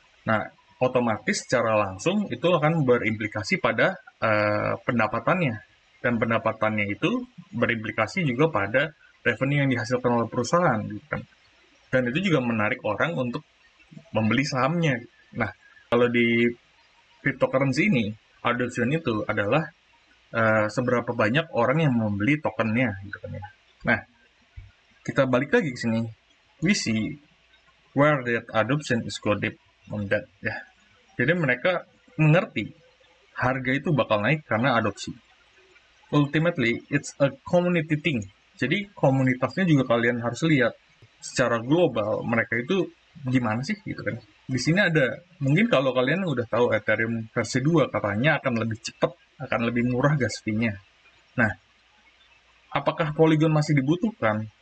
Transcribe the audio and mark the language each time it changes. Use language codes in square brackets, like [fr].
[id] Nah, otomatis secara langsung itu akan berimplikasi pada pendapatannya, dan pendapatannya itu berimplikasi juga pada revenue yang dihasilkan oleh perusahaan gitu kan. Dan itu juga menarik orang untuk membeli sahamnya. Nah, kalau di cryptocurrency ini, adoption itu adalah seberapa banyak orang yang membeli tokennya gitu kan ya. Nah, kita balik lagi ke sini. [en] We see where that adoption is go deep on that ya. [id] Jadi mereka mengerti harga itu bakal naik karena adopsi. [en] Ultimately, it's a community thing. [id] Jadi komunitasnya juga kalian harus lihat secara global mereka itu gimana sih gitu kan. Di sini ada, mungkin kalau kalian udah tahu Ethereum versi 2, katanya akan lebih cepat, akan lebih murah gas fee-nya. Nah, apakah Polygon masih dibutuhkan?